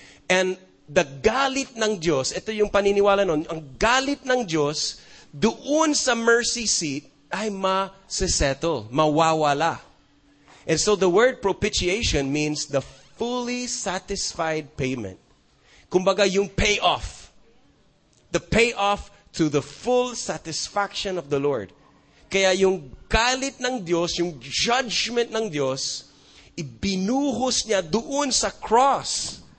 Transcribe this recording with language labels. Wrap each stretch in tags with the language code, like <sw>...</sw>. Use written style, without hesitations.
<tl>And the galit ng Diyos, ito yung paniniwala nun, ang galit ng Diyos doon sa mercy seat ay ma-settle, mawawala.</tl> <en>And so the word propitiation means the fully satisfied payment.</en> <tl>Kumbaga yung payoff.</tl> <en>The payoff to the full satisfaction of the Lord.</en> <tl>Kaya yung galit ng Diyos, yung judgment ng Diyos, ibinuhos niya doon sa cross.</tl>